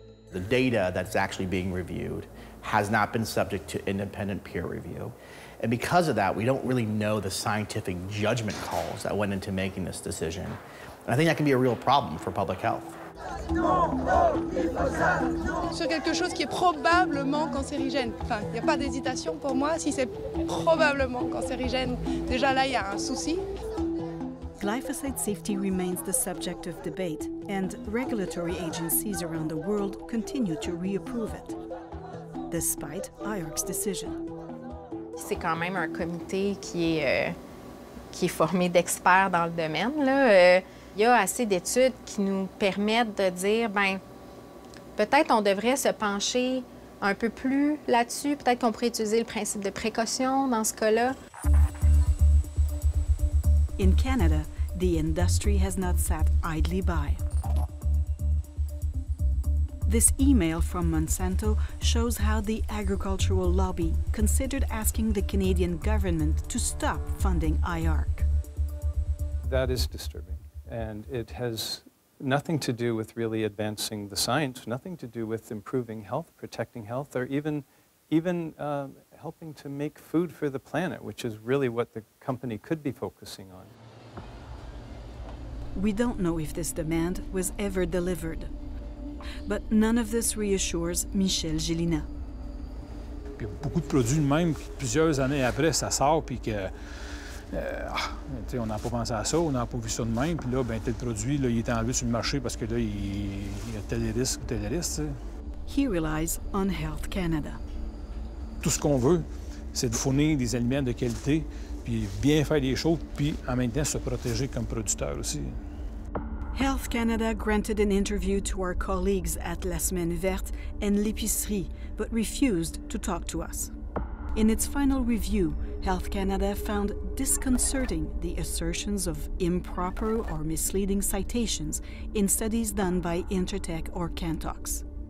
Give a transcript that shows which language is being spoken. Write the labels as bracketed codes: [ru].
[en] The data that's actually being reviewed has not been subject to independent peer review. And because of that, we don't really know the scientific judgment calls that went into making this decision. And I think that can be a real problem for public health. [fr] Sur quelque chose qui est probablement cancérigène. Enfin, il n'y a pas d'hésitation pour moi. Si c'est probablement cancérigène, déjà là, il y a un souci. [en] Glyphosate safety remains the subject of debate, and regulatory agencies around the world continue to reapprove it, despite IARC's decision. [fr] C'est quand même un comité qui est formé d'experts dans le domaine, là. Il y a assez d'études qui nous permettent de dire, ben, peut-être on devrait se pencher un peu plus là-dessus. Peut-être qu'on pourrait utiliser le principe de précaution dans ce cas-là. [en] In Canada, the industry has not sat idly by. This email from Monsanto shows how the agricultural lobby considered asking the Canadian government to stop funding IARC. That is disturbing. And it has nothing to do with really advancing the science, nothing to do with improving health, protecting health, or even helping to make food for the planet, which is really what the company could be focusing on. We don't know if this demand was ever delivered. But none of this reassures Michel Gélina. [fr] Il y a beaucoup de produits, même plusieurs années après, ça sort, puis que On n'a pas pensé à ça, on n'a pas vu ça de même. Puis là, ben, tel produit, là, il est enlevé sur le marché parce que là, il y a tel risque ou tel risque. [en] He relies on Health Canada. [fr] Tout ce qu'on veut, c'est de fournir des aliments de qualité, puis bien faire les choses, puis en même temps se protéger comme producteur aussi. [en] Health Canada granted an interview to our colleagues at La Semaine Verte and L'Épicerie, but refused to talk to us. In its final review, Health Canada found disconcerting the assertions of improper or misleading citations in studies done by Intertech or Cantox.